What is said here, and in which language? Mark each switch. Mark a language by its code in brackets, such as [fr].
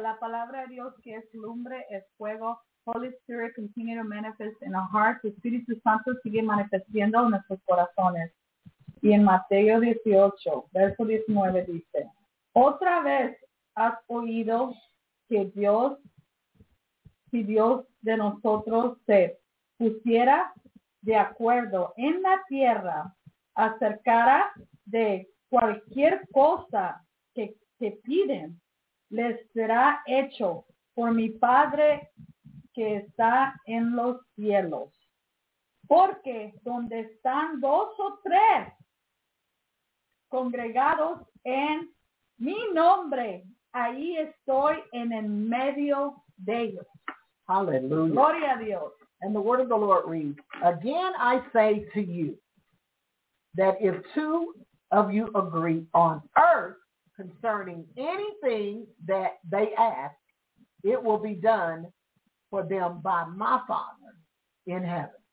[es] La palabra de Dios que es lumbre, es fuego. [en] Holy Spirit, continue to manifest in our hearts. [es] Espíritu Santo sigue manifestando en nuestros corazones. Y en Mateo 18, verso 19 dice, otra vez has oído que Dios, si Dios de nosotros se pusiera de acuerdo en la tierra, acercara de cualquier cosa que piden, les será hecho por mi Padre que está en los cielos. Porque donde están dos o tres congregados en mi nombre, ahí estoy en el medio de ellos. [en] Hallelujah. [es] Gloria a Dios. [en] And the word of the Lord reads, again I say to you that if two of you agree on earth concerning anything that they ask, it will be done for them by my Father in heaven.